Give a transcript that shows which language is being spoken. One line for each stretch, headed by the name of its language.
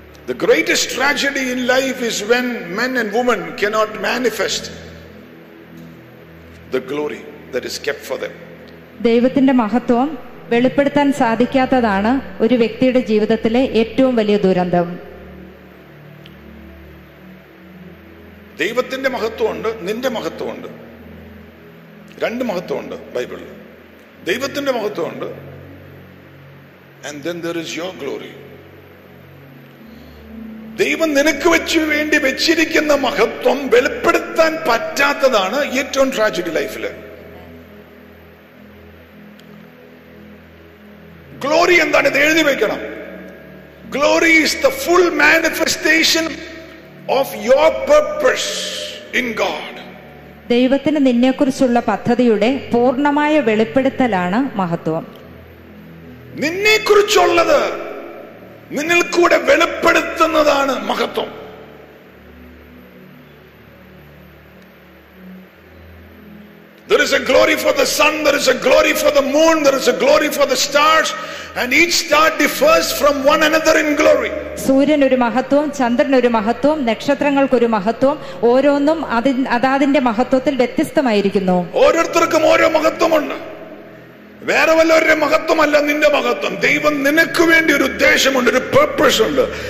English: The greatest tragedy in life is when men and women cannot manifest the glory that is kept for them.
Malayalam: ദൈവത്തിന്റെ മഹത്വം വെളിപ്പെടുത്താൻ സാധിക്കാത്തതാണ് ഒരു വ്യക്തിയുടെ ജീവിതത്തിലെ ഏറ്റവും വലിയ ദുരന്തം. ദൈവത്തിന്റെ മഹത്വമുണ്ട് നിന്റെ മഹത്വമുണ്ട് രണ്ട് മഹത്വമുണ്ട് ബൈബിളിൽ ദൈവത്തിന്റെ മഹത്വമുണ്ട്
English: and then there is your glory.
Malayalam: ദൈവം നിനക്ക് വെച്ചു വേണ്ടി വെച്ചിരിക്കുന്ന മഹത്വം വെളിപ്പെടുത്താൻ പറ്റാത്തതാണ് ഏറ്റവും ട്രാജഡി ലൈഫിൽ. ഗ്ലോറി എന്താണ് ഇത് എഴുതി വെക്കണം.
English: Glory is the full manifestation of your purpose in God.
Malayalam: ദൈവത്തിന് നിന്നെ കുറിച്ചുള്ള പദ്ധതിയുടെ പൂർണ്ണമായ വെളിപ്പെടുത്തലാണ് മഹത്വം. നിന്നെ കുറിച്ചുള്ളത് നിന്നിൽ കൂടെ വെളിപ്പെടുത്തുന്നതാണ് മഹത്വം.
English: There is a glory for the sun, there is a glory for the moon, there is a glory for the stars, and each star differs from one another in glory.
Malayalam: സൂര്യൻ ഒരു മഹത്വം, ചന്ദ്രൻ ഒരു മഹത്വം, നക്ഷത്രങ്ങൾക്ക് ഒരു മഹത്വം, ഓരോന്നും അതാതിന്റെ മഹത്വത്തിൽ വ്യത്യസ്തമായിരിക്കുന്നു. ഓരോരുത്തർക്കും ഓരോ മഹത്വമുണ്ട്. വേറെ വല്ലവരുടെ മഹത്വമല്ല നിന്റെ മഹത്വം. ദൈവം നിനക്ക് വേണ്ടി ഒരു ഉദ്ദേശമുണ്ട്, ഒരു പേർപ്പസ് ഉണ്ട്.